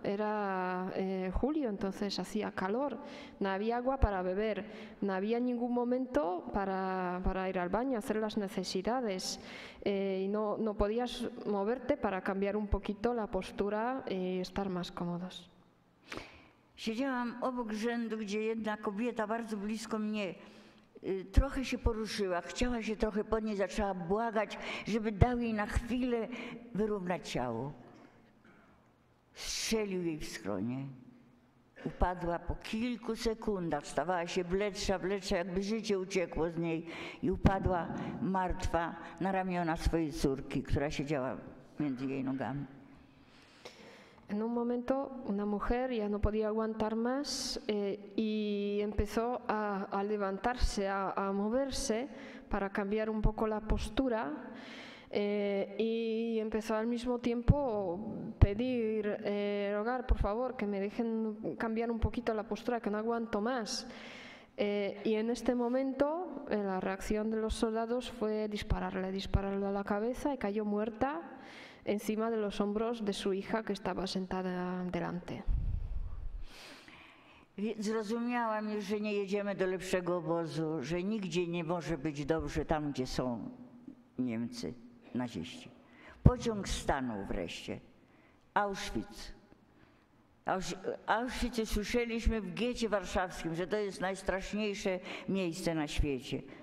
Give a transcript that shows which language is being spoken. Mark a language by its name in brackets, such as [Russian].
[Spanish] Era julio, entonces hacía calor, no había agua para beber, no había ningún momento para ir al baño, hacer las necesidades. Y no podías moverte para cambiar un poquito la postura y estar más cómodos. [Polish] Siedziałam obok rzędu, gdzie jedna kobieta bardzo blisko mnie trochę się poruszyła, chciała się trochę podnieść, zaczęła błagać, żeby dał jej na chwilę wyrównać ciało. Strzelił jej w skronie. Upadła po kilku sekundach, stawała się bledsza, bledsza, jakby życie uciekło z niej i upadła martwa na ramiona swojej córki, która siedziała między jej nogami. [Spanish] En un momento, una mujer ya no podía aguantar más y empezó a levantarse, a moverse para cambiar un poco la postura y empezó al mismo tiempo a pedir, rogar, por favor, que me dejen cambiar un poquito la postura, que no aguanto más. Y en este momento la reacción de los soldados fue dispararle a la cabeza y cayó muerta encima de los hombros de su hija que estaba sentada delante. [Polish] Zrozumiałam, że nie jedziemy do lepszego obozu, że nigdzie nie może być dobrze tam, gdzie są Niemcy, naziści. Pociąg stanął wreszcie. Auschwitz. Auschwitz słyszeliśmy w getcie warszawskim, że to jest najstraszniejsze miejsce na świecie.